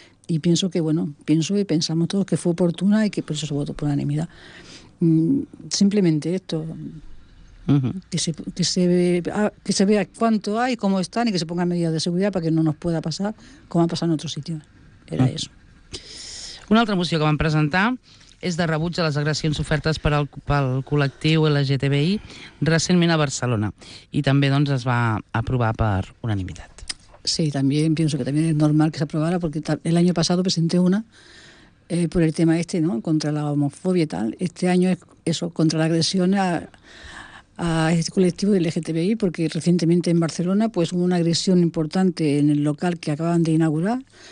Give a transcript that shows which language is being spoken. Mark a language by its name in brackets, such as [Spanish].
[Spanish] Y pienso que, bueno, pienso y pensamos todos que fue oportuna y que por eso se votó por unanimidad. Simplemente esto, que se vea cuánto hay, cómo están y que se pongan medidas de seguridad para que no nos pueda pasar como ha pasado en otros sitios. Era eso. [Catalan] Una altra moció que van presentar és de rebuig a les agressions ofertes pel col·lectiu LGTBI recentment a Barcelona. I també doncs, es va aprovar per unanimitat. [Spanish] Sí, también pienso que también es normal que se aprobara, porque el año pasado presenté una por el tema este, ¿no? Contra la homofobia y tal. Este año es eso, contra la agresión a este colectivo del LGTBI, porque recientemente en Barcelona pues hubo una agresión importante en el local que acaban de inaugurar,